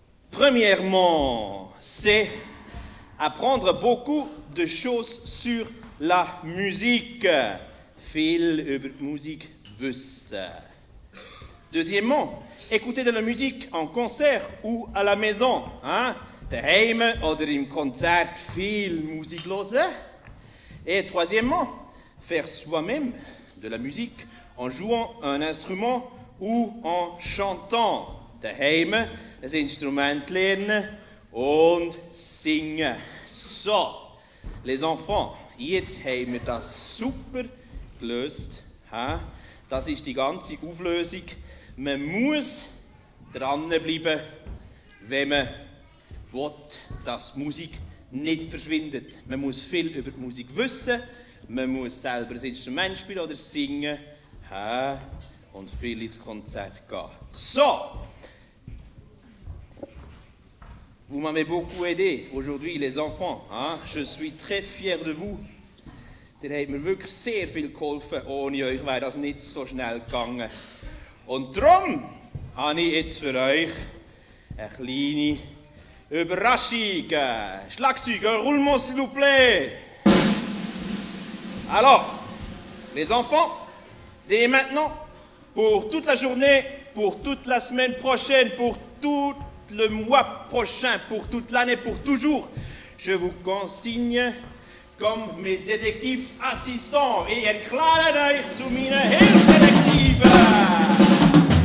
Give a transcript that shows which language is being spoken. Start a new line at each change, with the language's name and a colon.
French: Premièrement, c'est apprendre beaucoup de choses sur la musique.
German: Viel über Musik wissen.
French: Deuxièmement, écoutez de la musique en concert ou à la maison, hein?
German: Daheim oder im Konzert viel Musik hören.
French: Et troisièmement, faire soi-même de la musique en jouant un instrument ou en chantant.
German: Daheim das Instrument lernen und singen. So,
French: les enfants,
German: jetzt haben wir das super gelöst, hein? Das ist die ganze Auflösung. Man muss dranbleiben, wenn man will, dass Musik nicht verschwindet. Man muss viel über die Musik wissen, man muss selber ein Instrument spielen oder singen, hä? Und viel ins Konzert gehen. So!
French: Vous m'avez beaucoup aidé aujourd'hui, les enfants. Hein? Je suis très fier de vous.
German: Ihr habt mir wirklich sehr viel geholfen. Ohne euch wäre das nicht so schnell gegangen. Und darum habe ich jetzt für euch eine kleine Überraschung.
French: Schlagzeug, roulement s'il vous plaît. Alors, les enfants, dès maintenant, pour toute la journée, pour toute la semaine prochaine, pour tout le mois prochain, pour toute l'année, pour toujours, je vous consigne comme mes détectives assistants et
German: erklären euch zu meinen Hilfsdetektiven.